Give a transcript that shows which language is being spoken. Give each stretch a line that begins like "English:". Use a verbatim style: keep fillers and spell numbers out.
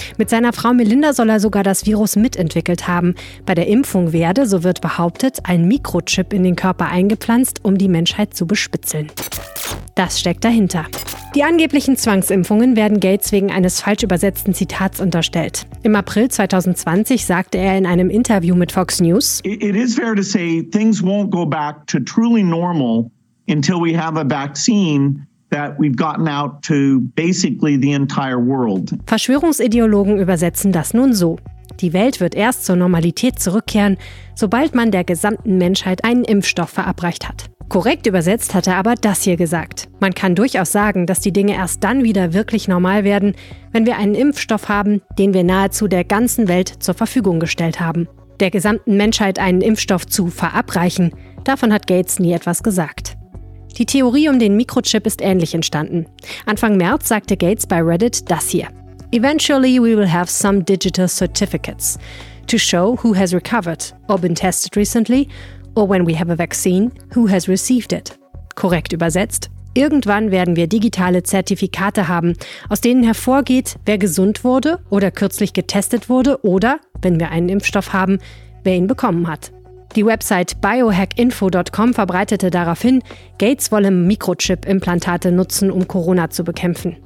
German: Mit seiner Frau Melinda soll er sogar das Virus mitentwickelt haben. Bei der Impfung werde, so wird behauptet, ein Mikrochip in den Körper eingepflanzt, um die Menschheit zu bespitzeln. Das steckt dahinter. Die angeblichen Zwangsimpfungen werden Gates wegen eines falsch übersetzten Zitats unterstellt. Im April zwanzig zwanzig sagte er in einem Interview mit Fox News:
English: It is fair to say things won't go back to truly normal until we have a vaccine that we've gotten out to basically the entire world.
German: Verschwörungsideologen übersetzen das nun so: Die Welt wird erst zur Normalität zurückkehren, sobald man der gesamten Menschheit einen Impfstoff verabreicht hat. Korrekt übersetzt hat er aber das hier gesagt: Man kann durchaus sagen, dass die Dinge erst dann wieder wirklich normal werden, wenn wir einen Impfstoff haben, den wir nahezu der ganzen Welt zur Verfügung gestellt haben. Der gesamten Menschheit einen Impfstoff zu verabreichen, davon hat Gates nie etwas gesagt. Die Theorie um den Mikrochip ist ähnlich entstanden. Anfang März sagte Gates bei Reddit das hier:
English: Eventually we will have some digital certificates to show who has recovered or been tested recently, or when we have a vaccine, who has received it.
German: Korrekt übersetzt: Irgendwann werden wir digitale Zertifikate haben, aus denen hervorgeht, wer gesund wurde oder kürzlich getestet wurde oder, wenn wir einen Impfstoff haben, wer ihn bekommen hat. Die Website biohackinfo Punkt com verbreitete daraufhin, Gates wolle Mikrochip-Implantate nutzen, um Corona zu bekämpfen.